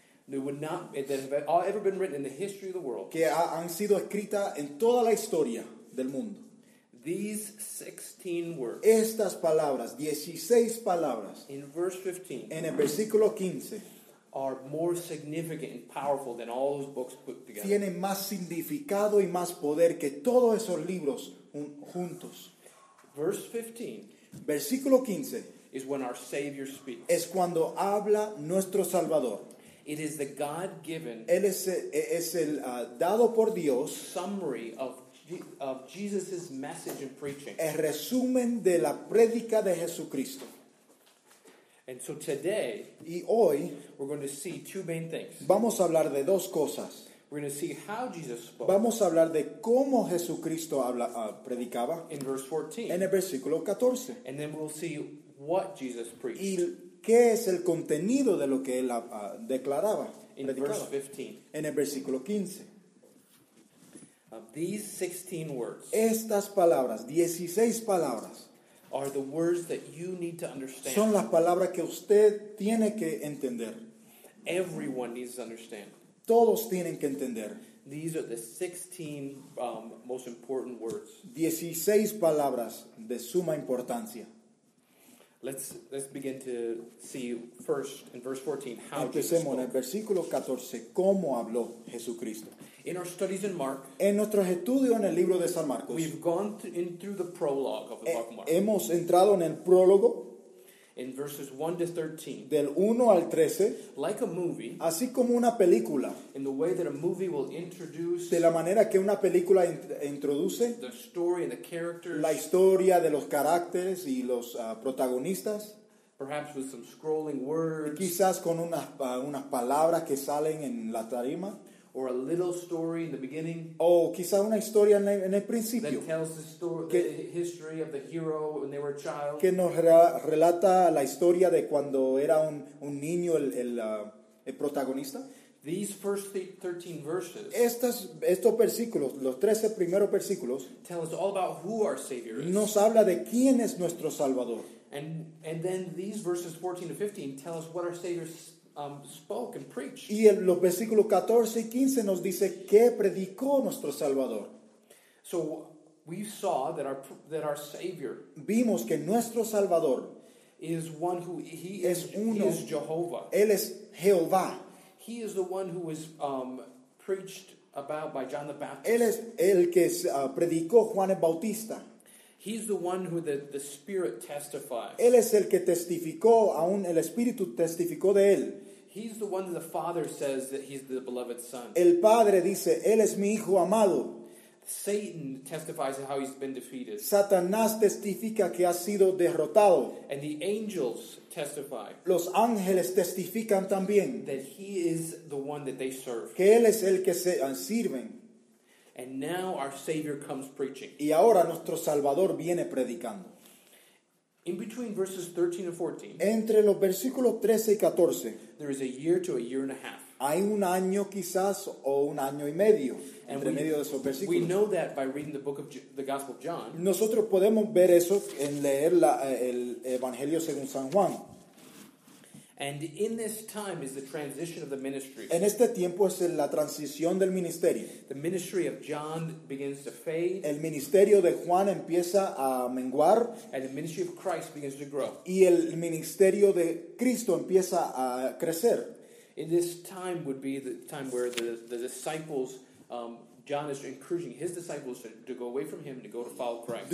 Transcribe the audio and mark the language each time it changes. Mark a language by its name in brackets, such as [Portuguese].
[English] they would not, that have ever been written in the history of the world, [Spanish] que han sido escritas en toda la historia del mundo. [English] These 16 words, [Spanish] estas palabras, 16 palabras, [English] in verse 15, [Spanish] en el versículo 15, [English] are more significant and powerful than all those books put together. [Spanish] Tienen más significado y más poder que todos esos libros juntos. [English] Verse 15. [Spanish] Versículo 15. [English] Is when our Savior speaks. [Spanish] Es cuando habla nuestro Salvador. [English] It is the God-given. [Spanish] Él es el dado por Dios. [English] Summary of Jesus's message and preaching. [Spanish] El resumen de la prédica de Jesucristo. [English] And so today, [Spanish] y hoy, [English] we're going to see two main things. [Spanish] Vamos a hablar de dos cosas. [English] We're going to see how Jesus spoke. [Spanish] Vamos a hablar de cómo Jesucristo predicaba. [English] In verse 14. [Spanish] En el versículo 14. [English] And then we'll see what Jesus preached. [Spanish] Y qué es el contenido de lo que él declaraba. [English] In verse 15. [Spanish] En el versículo 15. [English] Of these 16 words. [Spanish] Estas palabras, 16 palabras. [English] Are the words that you need to understand. [Spanish] Son las palabras que usted tiene que entender. [English] Everyone needs to understand. [Spanish] Todos tienen que entender. [English] These are the 16 most important words. [Spanish] 16 palabras de suma importancia. [English] Let's begin to see first in verse 14 how Jesus spoke. [Spanish] En el versículo 14, cómo habló Jesucristo. [English] In our studies in Mark, [Spanish] en nuestros estudios en el libro de San Marcos, [English] we've gone through the prologue of the book of Mark. [Spanish] Hemos entrado en el prólogo. [English] In verses 1 to 13, [Spanish] del 1 al 13, [English] like a movie, [Spanish] así como una película, [English] in the way that a movie will introduce, [Spanish] de la manera que una película introduce, [English] the story and the characters, [Spanish] la historia de los caracteres y los protagonistas, [English] perhaps with some scrolling words, [Spanish] quizás con unas palabras que salen en la tarima, [English] or a little story in the beginning. [Spanish] Oh, quizá una historia en el principio. [English] That tells the story, que, the history of the hero when they were a child. [Spanish] Que nos relata la historia de cuando era un niño el protagonista. [English] These first 13 verses. [Spanish] Estos versículos, los 13 primeros versículos. [English] Tell us all about who our Savior is. [Spanish] Nos habla de quién es nuestro Salvador. [English] And then these verses 14 to 15 tell us what our Savior is. Spoke and preached. [Spanish] Y los versículos 14 y 15 nos dice qué predicó nuestro Salvador. [English] So we saw that our Savior, [Spanish] vimos que nuestro Salvador, [English] is one who he is Jehovah. [Spanish] Él es Jehová. [English] He is the one who was preached about by John the Baptist. [Spanish] Él es el que predicó Juan el Bautista. [English] He's the one who the Spirit testifies. [Spanish] Él es el que testificó, aún el Espíritu testificó de él. [English] He's the one that the Father says that he's the beloved Son. [Spanish] El Padre dice, él es mi hijo amado. [English] Satan testifies of how he's been defeated. [Spanish] Satanás testifica que ha sido derrotado. [English] And the angels testify. [Spanish] Los ángeles testifican también. [English] That he is the one that they serve. [Spanish] Que él es el que se sirven. [English] And now our Savior comes preaching. [Spanish] Y ahora nuestro Salvador viene predicando. [English] In between verses 13 and 14. [Spanish] Entre los versículos 13 y 14. [English] There is a year to a year and a half. [Spanish] Hay un año quizás o un año y medio. And entre medio de esos versículos. [English] We know that by reading the book of the Gospel of John. [Spanish] Nosotros podemos ver eso en leer el Evangelio según San Juan. [English] And in this time is the transition of the ministry. [Spanish] En este tiempo es la transición del ministerio. [English] The ministry of John begins to fade. [Spanish] El ministerio de Juan empieza a menguar. [English] And the ministry of Christ begins to grow. [Spanish] Y el ministerio de Cristo empieza a crecer. [English] In this time would be the time where the disciples, John is encouraging his disciples to go away from him and to go to follow Christ.